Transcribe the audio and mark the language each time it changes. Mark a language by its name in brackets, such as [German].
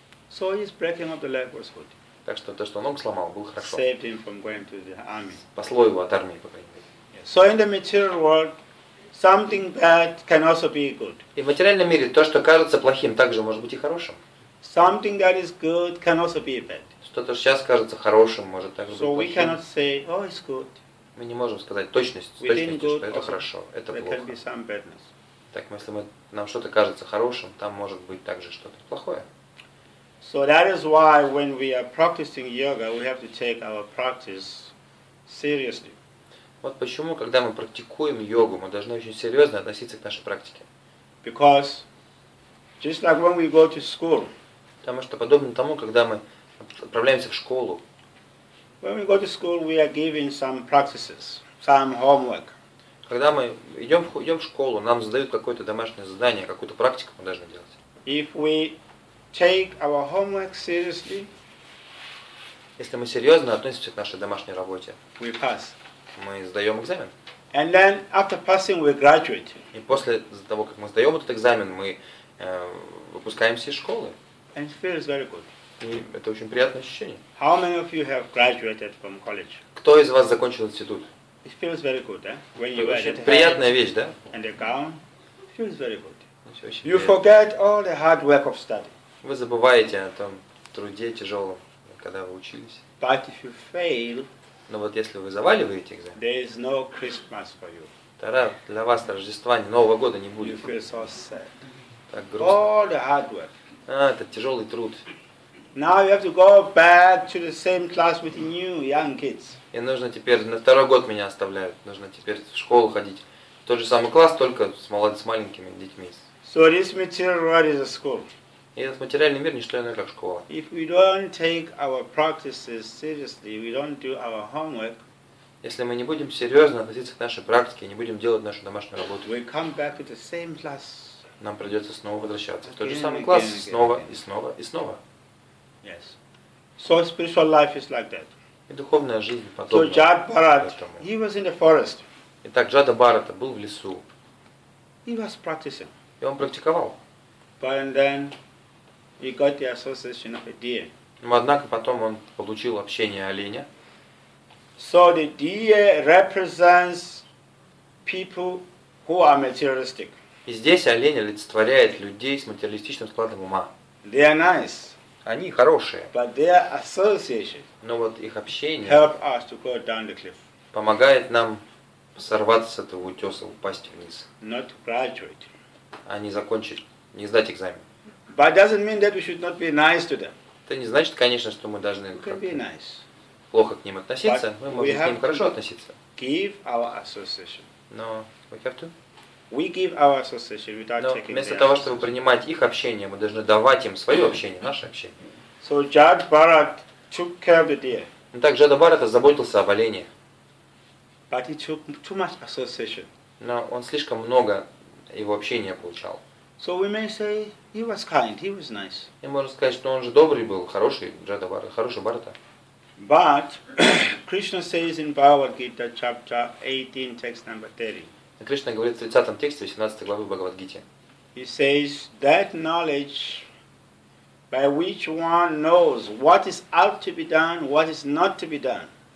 [English] So his breaking of the leg was good. [Russian] Так что то, что он ногу сломал, было хорошо. [English] Saved him from going to the army. [Russian] Спасло его от армии, по крайней мере. [English] So in the material world, something bad can also be good. [Russian] И в материальном мире то, что кажется плохим, также может быть и хорошим. [English] Something that is good can also be bad. [Russian] Что-то сейчас кажется хорошим, может также [English] so [Russian] быть плохим. [English] So we cannot say, oh, it's good. [Russian] Мы не можем сказать точностью, что это хорошо, это [English] there [Russian] плохо. [English] Can be some badness. [Russian] Так, если нам что-то кажется хорошим, там может быть также что-то плохое. [English] So that is why when we are practicing yoga, we have to take our practice seriously. [Russian] Вот почему, когда мы практикуем йогу, мы должны очень серьезно относиться к нашей практике. [English] Because just like when we go to school. [Russian] Потому что подобно тому, когда мы отправляемся в школу. [English] When we go to school, we are given some practices, some homework. [Russian] Когда мы идем в школу, нам задают какое-то домашнее задание, какую-то практику мы должны делать. [English] If we take our homework seriously, [Russian] если мы серьезно относимся к нашей домашней работе, [English] we pass. [Russian] Мы сдаем экзамен. [English] And then after passing, we graduate. [Russian] И после того, как мы сдаем этот экзамен, мы выпускаемся из школы. [English] And it feels very good. [Russian] И это очень приятное ощущение. [English] How many of you have graduated from college? [Russian] Кто из вас закончил институт? [English] It feels very good, eh? When you [Russian] очень приятная [English] head, [Russian] вещь, да? [English] And the gown feels very good. You forget all the hard work of study. [Russian] Вы забываете о том труде тяжелом, когда вы учились. [English] But if you fail, [Russian] но вот если вы заваливаете экзамен, [English] there is no Christmas for you. [Russian] Тогда для вас Рождества, Нового года не будет. [English] You feel so sad. [Russian] Так грустно. [English] All the hard work. [Russian] А, это тяжелый труд. [English] Now you have to go back to the same class with new young kids. [Russian] И нужно теперь на второй год меня оставляют. Нужно теперь в школу ходить. В тот же самый класс, только с маленькими детьми. [English] So this material world is a school. [Russian] И этот материальный мир не что иное, как школа. [English] If we don't take our practices seriously, we don't do our homework. [Russian] Если мы не будем серьезно относиться к нашей практике, не будем делать нашу домашнюю работу, [English] we come back to the same class. [Russian] Нам придется снова возвращаться в тот же самый класс, снова и снова и снова. [English] Yes. So spiritual life is like that. [Russian] И духовная жизнь подобна. [English] So Jad Bharat, he was in the forest. [Russian] Итак, Джада Бхарата был в лесу. [English] He was practicing. [Russian] И он практиковал. [English] But then he got the association of a deer. [Russian] Но однако потом он получил общение оленя. [English] So the deer represents people who are materialistic. [Russian] И здесь олень олицетворяет людей с материалистичным складом ума. [English] They are nice. [Russian] Они хорошие. [English] But their association. [Russian] Но вот их общение [English] help us to go down the cliff. [Russian] Помогает нам сорваться с этого утеса, упасть вниз. [English] Not graduate. [Russian] А не закончить, не сдать экзамен. [English] But doesn't mean that we should not be nice to them. [Russian] Это не значит, конечно, что мы должны [English] nice. [Russian] Плохо к ним относиться. [English] But [Russian] мы можем к ним хорошо относиться. [English] Give our association. Но we have to. We give our association without taking their. [Russian] Но вместо того, чтобы принимать их общение, мы должны давать им свое общение, наше общение. [English] So Jad Bharat took care of the deer. [Russian] Итак, Джада Бхарата заботился об олене. [English] But he took too much association. [Russian] Но он слишком много его общения получал. [English] So we may say he was kind, he was nice. [Russian] И можно сказать, что он же добрый был, хороший Джада Бхарата, хороший Бхарата. [English] But Krishna says in Bhagavad Gita chapter 18, text number 30. [Russian] Кришна говорит в 30 тексте 18 главы Бхагавад-гиты. [English] He says that knowledge by which one knows what is out to be done, what is not to be done.